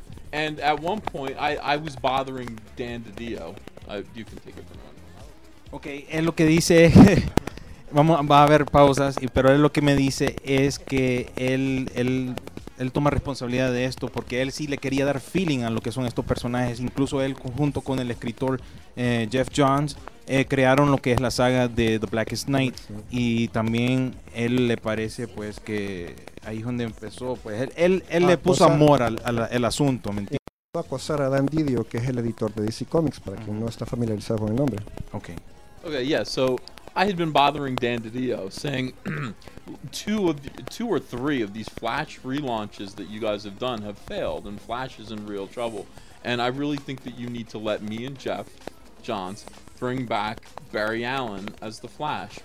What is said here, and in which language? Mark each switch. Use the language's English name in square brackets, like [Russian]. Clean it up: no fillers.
[English] And at one point, I was bothering Dan DiDio. You can take it from there. [Spanish] Okay, es lo que dice... va a haber pausas, pero él lo que me dice es que él toma responsabilidad de esto porque él sí le quería dar feeling a lo que son estos personajes. Incluso él, junto con el escritor Geoff Johns, crearon lo que es la saga de The Blackest Night. Y también él le parece pues que ahí es donde empezó. Pues él le puso amor al asunto, ¿me entiendes? A acosar a Dan DiDio, que es el editor de DC Comics, para quien no está familiarizado con el nombre. [English] Okay, yeah, so... I had been bothering Dan DiDio, saying two or three of these Flash relaunches that you guys have done have failed, and Flash is in real trouble. And I really think that you need to let me and Geoff Johns bring back Barry Allen as the Flash.